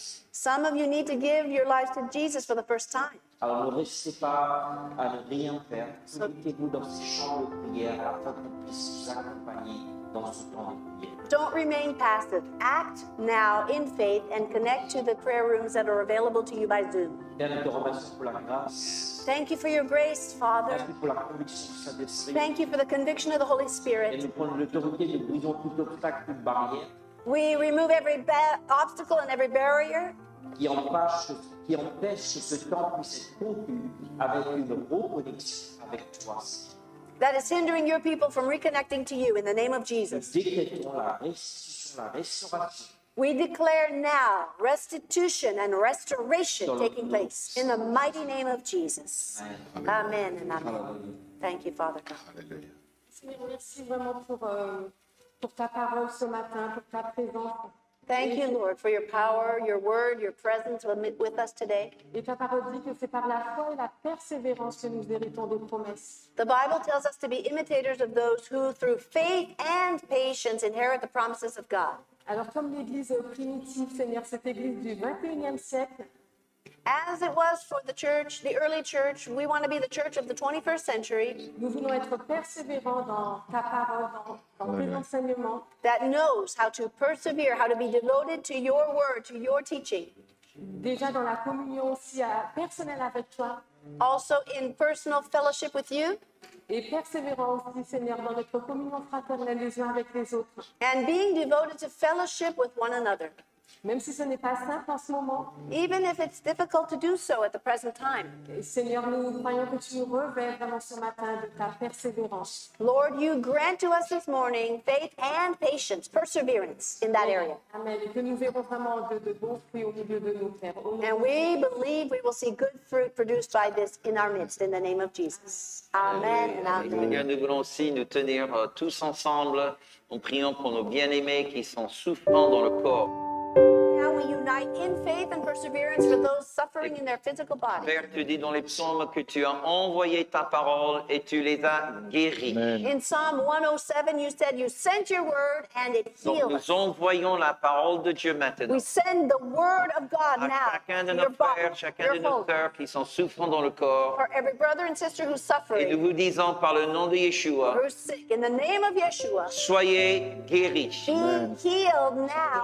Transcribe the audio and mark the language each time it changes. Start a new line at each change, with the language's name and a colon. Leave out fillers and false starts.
English: Some of you need to give your lives to Jesus for the first time.
French: Alors ne restez pas à ne rien faire. Connectez-vous dans ces chants de prière afin qu'on puisse vous accompagner dans ce temps de prière.
English: Don't remain passive. Act now in faith and connect to the prayer rooms that are available to you by Zoom.
French: Bien, nous te remercions pour la grâce.
English: Thank you for your grace, Father.
French: Merci pour la conviction de Saint-Esprit.
English: Thank you for the conviction of the Holy Spirit.
French: Et nous prenons l'autorité de briser tout obstacle, toute barrière.
English: We remove every obstacle and every barrier.
French: Qui empêche que ce temps puisse être conclu avec une reconnexion avec toi.
English: That is hindering your people from reconnecting to you in the name of Jesus.
French: Nous décrétons la restitution, la restauration.
English: We declare now restitution and restoration taking place in the mighty name of Jesus. Amen. Amen and amen. Thank you, Father God.
French: Seigneur, merci vraiment pour ta parole ce matin, pour ta présence.
English: Thank you, Lord, for your power, your word, your presence with us today.
French: Et ta parole dit que c'est par la foi et la persévérance que nous héritons des promesses.
English: The Bible tells us to be imitators of those who, through faith and patience, inherit the promises of God.
French: Alors, comme l'Église primitive, Seigneur, cette Église du 21e siècle.
English: As it was for the church, the early church, we want to be the church of the 21st century.
French: Nous voulons être persévérants dans ta parole, dans tes enseignements.
English: That knows how to persevere, how to be devoted to your word, to your teaching.
French: Déjà dans la communion aussi personnelle avec toi.
English: Also in personal fellowship with you.
French: Et persévérant aussi, Seigneur, dans notre communion fraternelle les uns avec les autres.
English: And being devoted to fellowship with one another.
French: Même si ce n'est pas simple en ce moment.
English: Even if it's difficult to do so at the present time.
French: Seigneur, nous croyons que tu revêtes vraiment ce matin de ta persévérance.
English: Lord, you grant to us this morning faith and patience, perseverance in that area. Amen.
French: Et que nous verrons vraiment de bons fruits au milieu de nos pères.
English: And we believe we will see good fruit produced by this in our midst, in the name of Jesus. Amen.
French: Seigneur, nous voulons aussi nous tenir tous ensemble en priant pour nos bien-aimés qui sont souffrants dans le corps.
English: Now we unite in faith and perseverance for those suffering in their physical body.
French: Père, tu dis dans les psaumes que tu as envoyé ta parole et tu les as guéris.
English: In Psalm 107, you said you sent your word and it healed.
French: Donc nous envoyons la parole de Dieu maintenant.
English: We send the word of God now.
French: Chacun de nos frères, chacun de nos sœurs qui sont souffrant dans le corps.
English: For every brother and sister who's suffering.
French: Et nous vous disons par le nom de Yeshua.
English: Who's sick in the name of Yeshua.
French: Soyez guéris.
English: Be healed now.